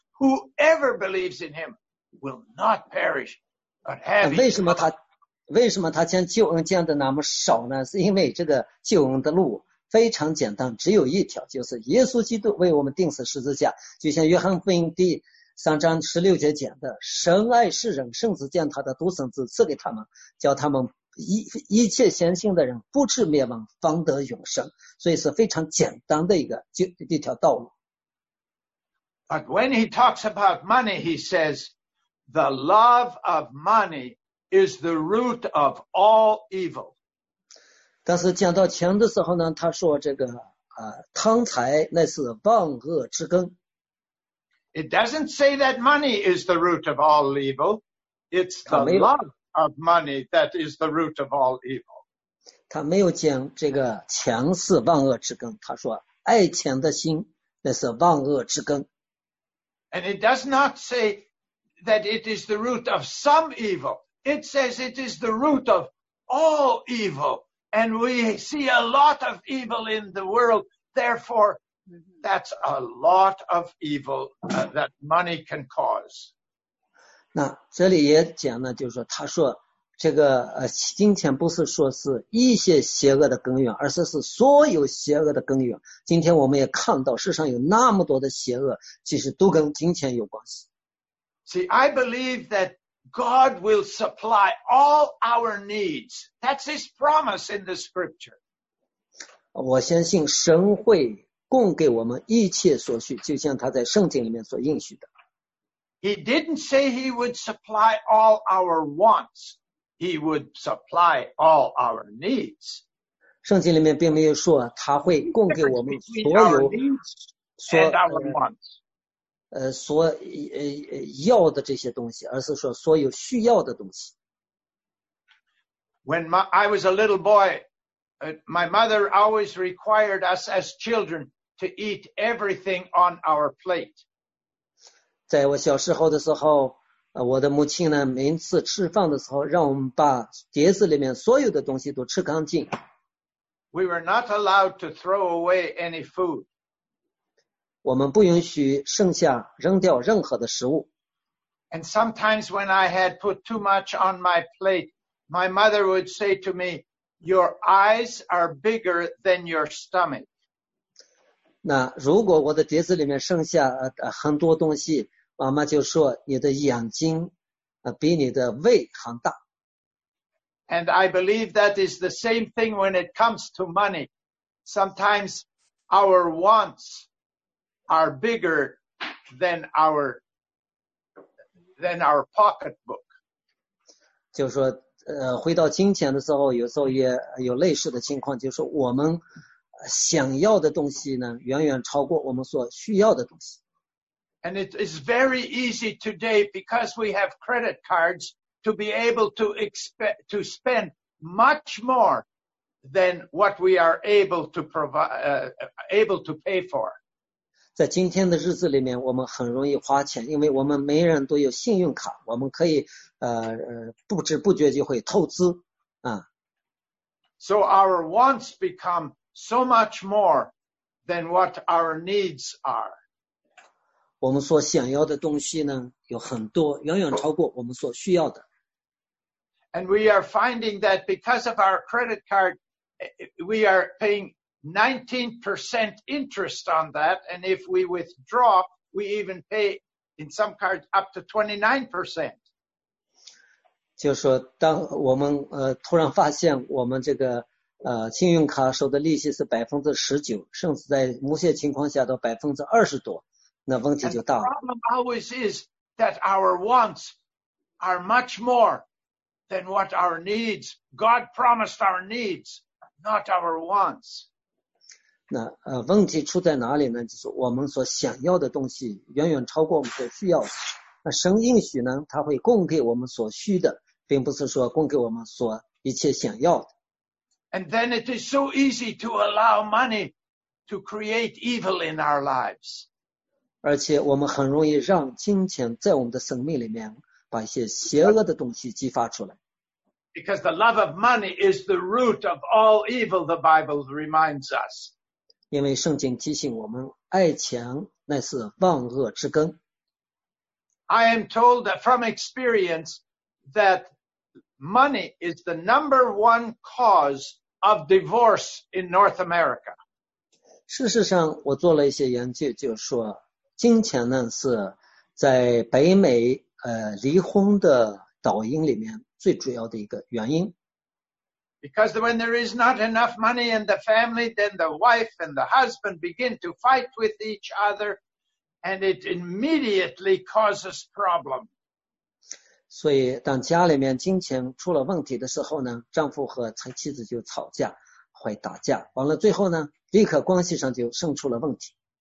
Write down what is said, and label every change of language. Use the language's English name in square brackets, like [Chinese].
[English] Whoever believes in him will not perish, but have eternal life. [Chinese] 为什么他将救恩降的那么少呢？是因为这个救恩的路非常简单，只有一条，就是耶稣基督为我们钉死十字架。就像约翰福音第三章十六节讲的，神爱世人，甚至将他的独生子赐给他们，叫他们一切相信的人不至灭亡，方得永生。所以是非常简单的一条道路。 [English] But when he talks about money, he says, "The love of money is the root of all evil." [Chinese] 但是讲到钱的时候呢，他说这个贪财那是万恶之根。 [English] It doesn't say that money is the root of all evil. It's the love of money that is the root of all evil. [Chinese] 他没有讲这个钱是万恶之根，他说爱钱的心那是万恶之根。 [English] And it does not say that it is the root of some evil. It says it is the root of all evil. And we see a lot of evil in the world, therefore,That's a lot of evil that money can cause. [Chinese] 那这里也讲呢，就是说，他说这个金钱不是说是一些邪恶的根源，而是所有邪恶的根源。今天我们也看到世上有那么多的邪恶，其实都跟金钱有关系。 [English] See, I believe that God will supply all our needs. That's His promise in the Scripture. [Chinese] 我相信神会。供给我们一切所需，就像他在圣经里面所应许的。 [English] He didn't say he would supply all our wants. He would supply all our needs. [Chinese] 圣经里面并没有说他会供给我们所有所所要的这些东西，而是说所有需要的东西。 [English] When I was a little boy, My mother always required us as children to eat everything on our plate. [Chinese] 在我小时候的时候，我的母亲呢，每次吃饭的时候，让我们把碟子里面所有的东西都吃干净。 [English] We were not allowed to throw away any food. [Chinese] 我们不允许剩下扔掉任何的食物。 [English] And sometimes when I had put too much on my plate, my mother would say to me, "Your eyes are bigger than your stomach." [Chinese] 那如果我的碟子里面剩下很多东西，妈妈就说你的眼睛比你的胃还大。 [English] And I believe that is the same thing when it comes to money. Sometimes our wants are bigger than our pocketbook. [Chinese] 就是说回到金钱的时候，有时候也有类似的情况，就是我们想要的东西呢，远远超过我们所需要的东西。 [English] And it is very easy today because we have credit cards to be able to spend much more than what we are able to pay for. [Chinese] 在今天的日子里面，我们很容易花钱，因为我们每人都有信用卡，我们可以不知不觉就会透支啊。 [English] So our wants become so much more than what our needs are. [Chinese] 我们所想要的东西呢有很多，远远超过我们所需要的。 [English] And we are finding that because of our credit card, we are paying 19% interest on that, and if we withdraw, we even pay in some cards up to 29%. [Chinese] 就是说当我们突然发现我们这个信用卡收的利息是 19%, 甚至在某些情况下到 20% 多。那问题就大了。 [English] And、the problem always is that our wants are much more than what our needs. God promised our needs, not our wants. [Chinese] 那问题出在哪里呢？就是我们所想要的东西远远超过我们所需要的。那神应许呢，他会供给我们所需的，并不是说供给我们所一切想要的。 [English] And then it is so easy to allow money to create evil in our lives. [Chinese] 而且我们很容易让金钱在我们的生命里面把一些邪恶的东西激发出来。 [English] Because the love of money is the root of all evil, the Bible reminds us. [Chinese] 因为圣经提醒我们，爱钱乃是万恶之根。 [English] I am told that from experience that money is the number one cause of divorce in North America. [Chinese] 事实上，我做了一些研究，就是说金钱呢是在北美离婚的导因里面最主要的一个原因。 [English] Because when there is not enough money in the family, then the wife and the husband begin to fight with each other, and it immediately causes problem. [Chinese] 所以当家里面金钱出了问题的时候呢，丈夫和妻子就吵架，会打架，完了最后呢，立刻关系上就生出了问题。